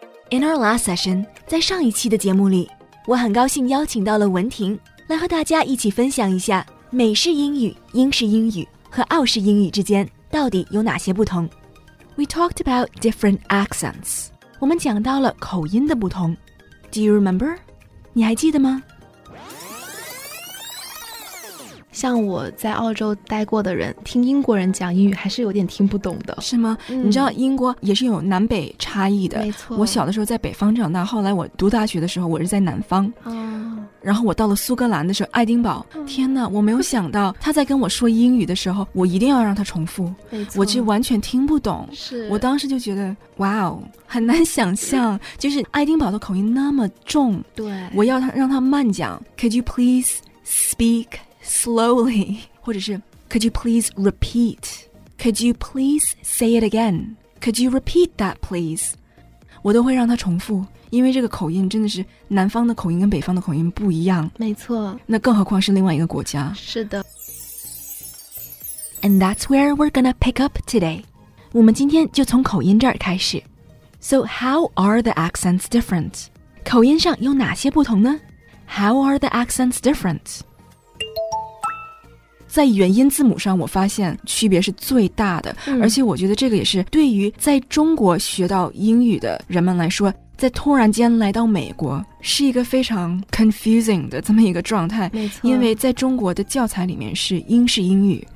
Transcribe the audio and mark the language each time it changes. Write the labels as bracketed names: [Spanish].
[English] In our last session， [Chinese] 在上一期的节目里，我很高兴邀请到了文婷来和大家一起分享一下美式英语、英式英语和澳式英语之间到底有哪些不同。 [English] We talked about different accents. [Chinese] 我们讲到了口音的不同。 [English] Do you remember? [Chinese] 你还记得吗？像我在澳洲待过的人，听英国人讲英语还是有点听不懂的。是吗？你知道英国也是有南北差异的。没错。我小的时候在北方长大，后来我读大学的时候我是在南方。然后我到了苏格兰的时候，爱丁堡，天哪，我没有想到他在跟我说英语的时候，我一定要让他重复，我就完全听不懂。是，我当时就觉得哇哦，很难想象，就是爱丁堡的口音那么重。对，我要他让他慢讲， [English] Could you please speak slowly， [Chinese] 或者是 [English] Could you please repeat， Could you please say it again， Could you repeat that please， [Chinese] 我都会让他重复，因为这个口音真的是南方的口音跟北方的口音不一样。没错。那更何况是另外一个国家。是的。 [English] And that's where we're gonna pick up today. [Chinese] 我们今天就从口音这儿开始。 [English] So how are the accents different? [Chinese] 口音上有哪些不同呢？ [English] How are the accents different? [Chinese] 在元音字母上我发现区别是最大的，而且我觉得这个也是对于在中国学到英语的人们来说，在突然间来到美国是一个非常 confusing 的这么一个状态。没错，因为在中国的教材里面是英式英语。